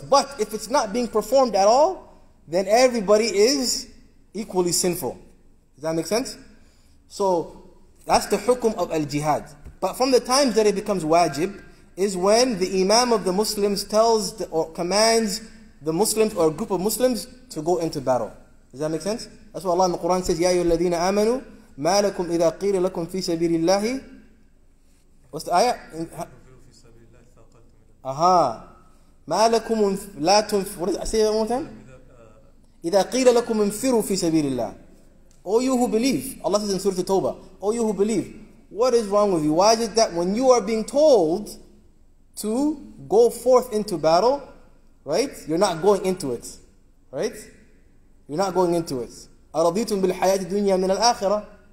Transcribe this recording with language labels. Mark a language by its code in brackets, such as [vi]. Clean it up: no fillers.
[en] But if it's not being performed at all, then everybody is equally sinful. Does that make sense? So that's the hukum of al-jihad. But from the times that it becomes wajib, is when the imam of the Muslims tells the, or commands the Muslims or a group of Muslims to go into battle. Does that make sense? That's why Allah in the Quran says, [ar] يَا أَيُّهَا الَّذِينَ آمَنُوا مَا لَكُمْ إِذَا قِيلَ لَكُمْ فِي سَبِيلِ اللَّهِ. [en] What's the ayah? Aha. [ar] مَا لَكُمْ لَا تُنْفِرُوا. [en] What is it? Say it one more time. [ar] إِذَا قِيلَ لَكُمْ انْفِرُوا فِي سَبِيلِ اللَّهِ. [en] O you who believe. Allah says in Surah Tawbah. O you who believe. What is wrong with you? Why is it that when you are being told to go forth into battle, right? You're not going into it. Right? You're not going into it. [ar] أَرَضِيْتُمْ بِالْحَيَاةِ الدُّنْيَا مِنَ الْآخِرَةِ.